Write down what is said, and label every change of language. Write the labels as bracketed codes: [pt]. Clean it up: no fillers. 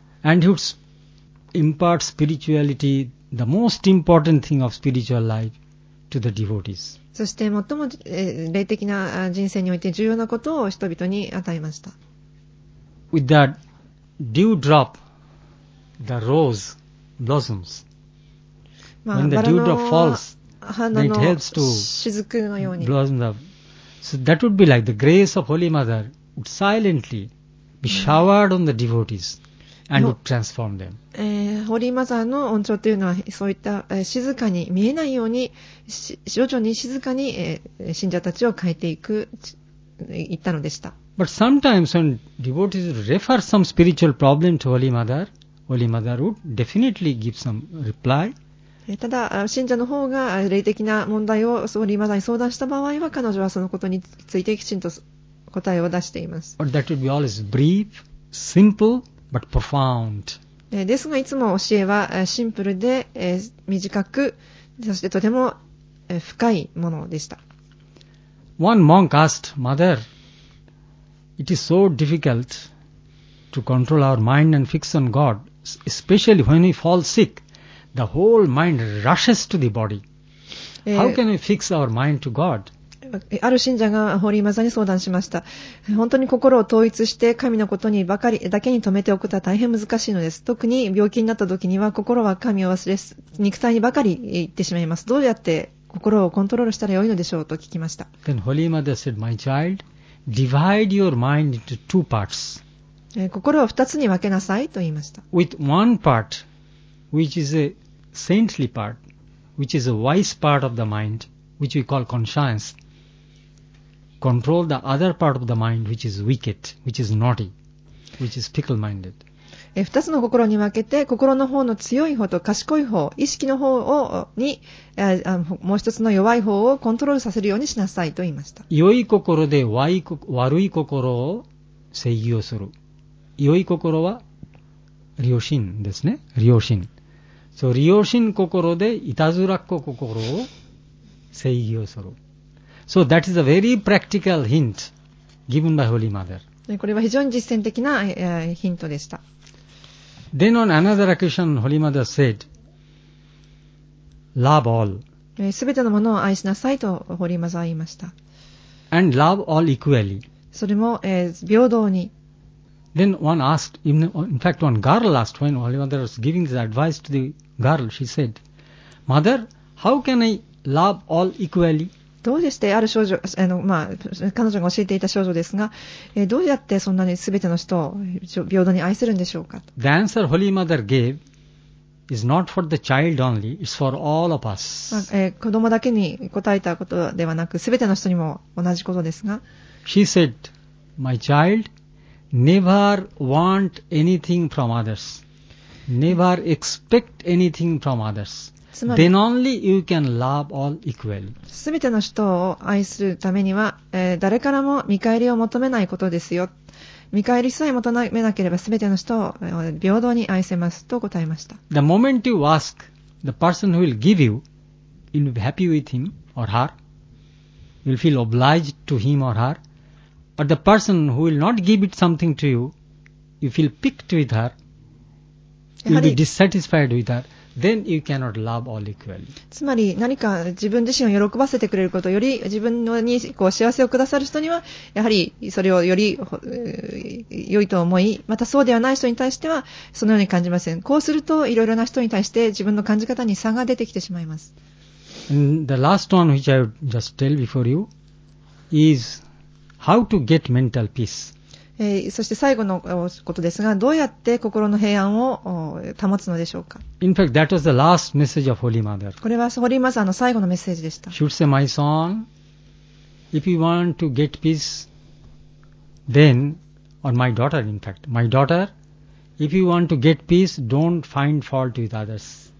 [en] And who impart spirituality, the most important thing of spiritual life, to the devotees. [ja] そして最も霊的な人生において重要なことを人々に与えました。 [en] With that dew drop, the rose blossoms. When the dew drop falls, it helps to blossom. So that would be like the grace of Holy Mother would silently be showered on the devotees. And would transform them. [ja] ホーリーマザーの恩寵というのはそういった、静かに見えないように徐々に静かに、信者たちを変えていく言ったのでした。 [en] But sometimes when devotees refer some spiritual problem to Holy Mother, Holy Mother would definitely give some reply. [ja] ただ信者の方が霊的な問題をホーリーマザーに相談した場合は彼女はそのことについてきちんと答えを出しています。 [en] But that would be always brief, simple. But profound. [ja] ですがいつも教えはシンプルで短くそしてとても深いものでした。 [en] One monk asked, Mother, it is so difficult to control our mind and fix on God, especially when we fall sick. The whole mind rushes to the body. How can we fix our mind to God? [ja] ある信者がホーリーマザーに相談しました。本当に心を統一して神のことにばかりだけに留めておくとは大変難しいのです。特に病気になった時には心は神を忘れ、肉体にばかり行ってしまいます。どうやって心をコントロールしたらよいのでしょうと聞きました。 [en] Then Holy Mother said, My child, divide your mind into two parts. [ja] 心を二つに分けなさいと言いました。 [en] With one part, which is a saintly part, which is a wise part of the mind, which we call conscience. Control the other part of the mind, which is wicked, which is naughty, which is fickle-minded. [ja] 二つの心に分けて、心の方の強い方と賢い方、意識の方をに、もう一つの弱い方をコントロールさせるようにしなさいと言いました。良い心で悪い心を制御する。良い心は、リオシンですね。リオシン。 So、リオシン心で、いたずらっ子心を制御する。 [en] So that is a very practical hint given by Holy Mother. [ja] これは非常に実践的なヒントでした。 [en] Then on another occasion, Holy Mother said, "Love all." [ja] すべてのものを愛しなさいとホーリーマザーは言いました。 [en] And love all equally. [ja] それも平等に。 [en] Then one asked, in fact, one girl asked when Holy Mother was giving this advice to the girl, she said, "Mother, how can I love all equally?" [ja] どうでしてある少女、彼女が教えていた少女ですが、どうやってそんなに全ての人を平等に愛するんでしょうか。 [en] The answer Holy Mother gave is not for the child only, it's for all of us. [ja] 子供だけに答えたことではなく、全ての人にも同じことですが。 [en] She said, My child, never want anything from others. Never expect anything from others. Then only you can love all equally. [ja] 全ての人を愛するためには、誰からも見返りを求めないことですよ。見返りさえ求めなければ全ての人を平等に愛せますと答えました。 [en] The moment you ask the person who will give you, you'll be happy with him or her. You'll feel obliged to him or her. But the person who will not give it something to you, you feel piqued with her. You'll be dissatisfied with her. then you cannot love all equally. [ja] つまり何か自分自身を喜ばせてくれること、より自分にこう幸せをくださる人にはやはりそれをより良いと思い、またそうではない人に対してはそのように感じません。こうするといろいろな人に対して自分の感じ方に差が出てきてしまいます。 [en] And the last one which I would just tell before you is how to get mental peace。 [ja] そして最後のことですが、どうやって心の平安を保つのでしょうか。 [en] In fact, that was the last message of Holy Mother. [ja] これはホリーマザーの最後のメッセージでした。 [en] She would say, my son, if you want to get peace, then, or my daughter, in fact, my daughter, if you want to get peace, don't find fault with others.